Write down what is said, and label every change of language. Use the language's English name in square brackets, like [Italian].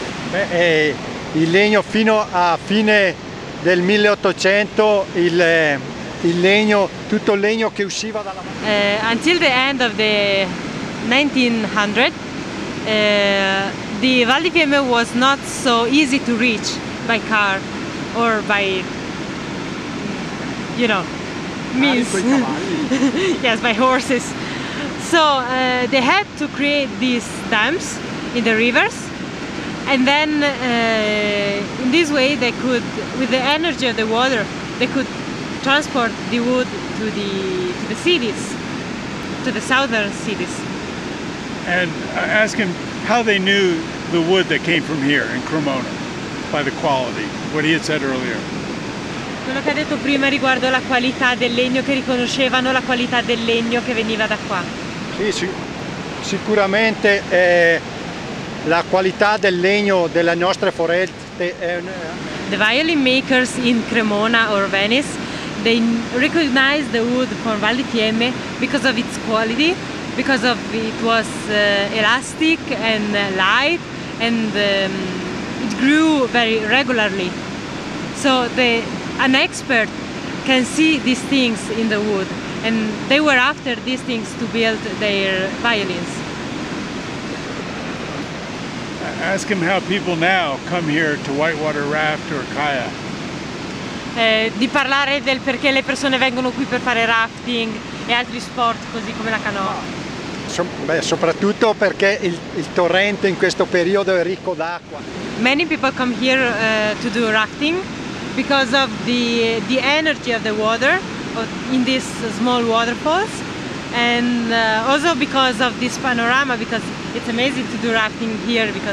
[Italian] Beh, il legno fino a fine del 1800, il legno, tutto il legno che usciva dalla... [English] Until the end of the 1900, the Val di Fiemme was not so easy to reach by car. Or by, you know, means. Yes, by horses. So they had to create these dams in the rivers, and then in this way they could, with the energy of the water, they could transport the wood to the cities, to the southern cities. And I ask him how they knew the wood that came from here in Cremona. By the quality, what he had said earlier. [Italian] Quello che ha detto prima riguardo la qualità del legno, che riconoscevano la qualità del legno che veniva da qua. Sì, sicuramente la qualità del legno delle nostre foreste. [English] The violin makers in Cremona or Venice, they recognize the wood from Val di Fiemme because of its quality, because of it was elastic and light and. It grew very regularly, so an expert can see these things in the wood, and they were after these things to build their violins. Ask him how people now come here to whitewater raft or kayak. [Italian] Di parlare del perché le persone vengono qui per fare rafting e altri sport così come la canoa. Soprattutto perché il torrente in questo periodo è ricco d'acqua. [English] Many people come here to do rafting because of the energy of the water in these small waterfalls, and also because of this panorama, because it's amazing to do rafting here.